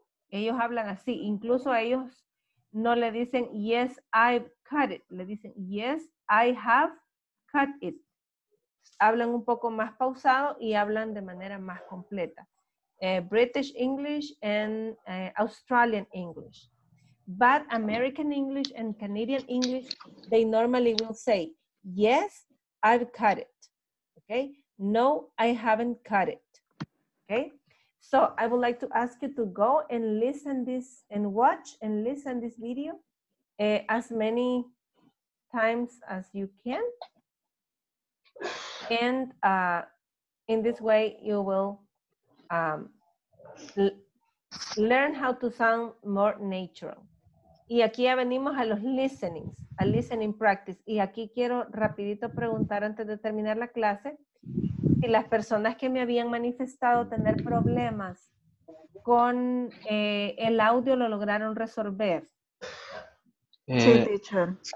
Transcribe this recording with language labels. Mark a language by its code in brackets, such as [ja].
[es] Ellos hablan así, incluso a ellos no le dicen [en] yes, I've cut it, [es] le dicen [en] yes, I have cut it. [es] Hablan un poco más pausado y hablan de manera más completa. [en] British English and Australian English. But American English and Canadian English, they normally will say, yes, I've cut it. Okay? No, I haven't cut it. Okay? So I would like to ask you to go and listen this and watch and listen this video as many times as you can. And in this way, you will learn how to sound more natural. [es] Y aquí ya venimos a los listenings, a listening practice. Y aquí quiero rapidito preguntar antes de terminar la clase si las personas que me habían manifestado tener problemas con el audio lo lograron resolver. Sí, teacher.